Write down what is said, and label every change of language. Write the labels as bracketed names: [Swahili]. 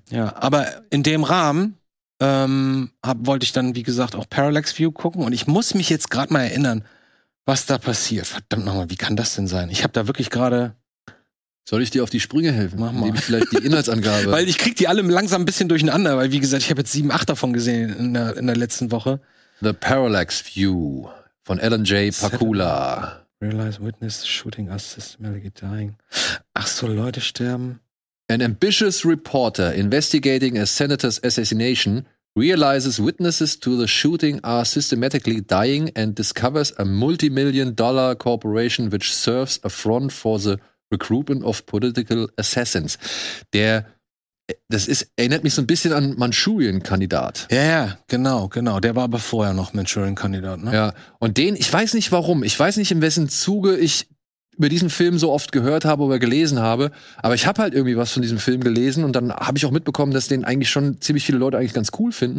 [German] Ja, aber in dem Rahmen, wollte ich dann, wie gesagt, auch Parallax View gucken und ich muss mich jetzt gerade mal erinnern, was da passiert. Verdammt nochmal, wie kann das denn sein? Ich habe da wirklich gerade. Soll ich dir auf die Sprünge helfen? Mach mal. Nehme ich vielleicht die Inhaltsangabe. Weil ich krieg die alle langsam ein bisschen durcheinander, weil, wie gesagt, ich habe jetzt 7, 8 davon gesehen in der letzten Woche. The Parallax View von Alan J. Pakula. [English] Realize witness shooting us systematically dying. [German] Ach so, Leute sterben. [English] An ambitious reporter investigating a senator's assassination realizes witnesses to the shooting are systematically dying and discovers a multi-million dollar corporation which serves a front for the Recruitment of Political Assassins. [German] Erinnert mich so ein bisschen an Manchurien-Kandidat. Ja, ja, genau. Der war aber vorher noch Manchurien-Kandidat, ne? Ja. Und den, ich weiß nicht warum, ich weiß nicht, in wessen Zuge ich über diesen Film so oft gehört habe oder gelesen habe, aber ich habe halt irgendwie was von diesem Film gelesen und dann habe ich auch mitbekommen, dass den eigentlich schon ziemlich viele Leute eigentlich ganz cool finden.